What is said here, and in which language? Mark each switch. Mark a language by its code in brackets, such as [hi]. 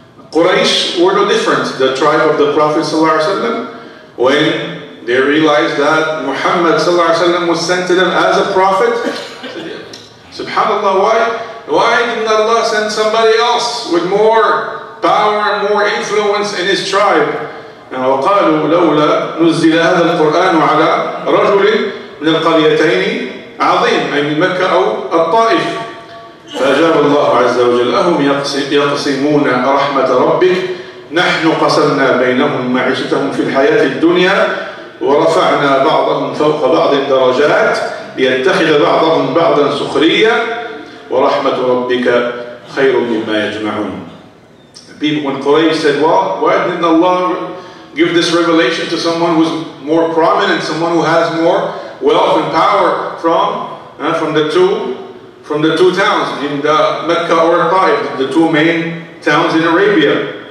[en] Quraysh were no different. The tribe of the Prophet ﷺ, when they realized that Muhammad ﷺ was sent to them as a prophet, subhanAllah, why didn't Allah send somebody else with more power and more influence in his tribe? [ar] And وقالوا لولا نزل هذا القرآن على رجل من القريتين عظيم أي من مكة أو الطائف. فأجاب الله عز وجل أهم يقسمون رحمة ربك نحن قسمنا بينهم معيشتهم في الحياة الدنيا ورفعنا بعضهم فوق بعض الدرجات ليتخذ بعضهم بعضا سخرية ورحمة ربك خير مما يجمعون. [en] People, when Quraysh said, well, why didn't Allah give this revelation to someone who's more prominent, someone who has more wealth and power from the two towns, in the Mecca or Taif, the two main towns in Arabia?